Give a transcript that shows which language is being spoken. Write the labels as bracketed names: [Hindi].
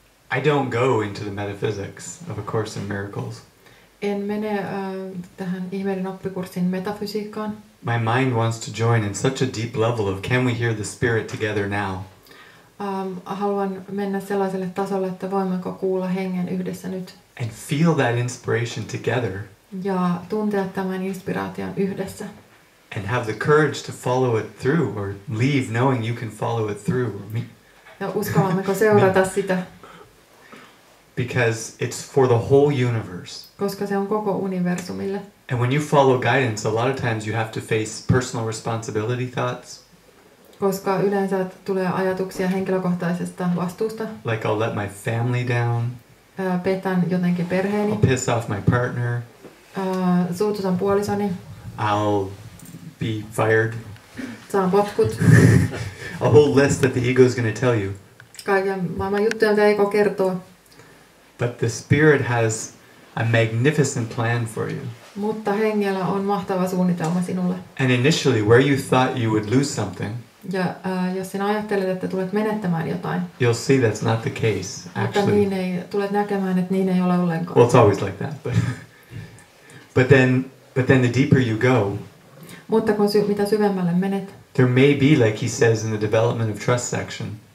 [English] I don't go into the metaphysics of A Course in Miracles. [Finnish] En mene tähän ihmeiden oppikurssin metafysiikkaan. [English] My mind wants to join in such a deep level of can we hear the spirit together now? [Finnish] Haluan mennä sellaiselle tasolle, että voimmeko kuulla hengen yhdessä nyt. [English] And feel that inspiration together. [Finnish] Ja tuntea tämän inspiraation yhdessä. [English] And have the courage to follow it through or leave knowing you can follow it through or me. [Finnish] Ja uskallammeko seurata sitä. [English] Because it's for the whole universe. [Finnish] Koska se on koko universumille. [English] And when you follow guidance, a lot of times you have to face personal responsibility thoughts. [Finnish] Koska yleensä tulee ajatuksia henkilökohtaisesta vastuusta. [English] Like I'll let my family down. [Finnish] Petän jotenkin perheeni. [English] I'll piss off my partner. [Finnish] Suututan puolisoni. [English] I'll be fired. [Finnish] Saan potkut. [English] A whole list that the ego is going to tell you. [Finnish] Kaiken maailman juttuja, mitä ego kertoo. [English] But the spirit has a magnificent plan for you. [Finnish] Mutta hengellä on mahtava suunnitelma sinulle. [English] And initially, where you thought you would lose something. [Finnish] Ja jos sinä ajattelet, että tulet menettämään jotain. [English] You'll see that's not the case, actually. [Finnish] Mutta niin ei, tulet näkemään, että niin ei ole ollenkaan. [English] Well, it's always like that. But then the deeper you go. [Finnish] Mutta kun mitä syvemmälle menet. [English] There may be, like he says in the development of trust section.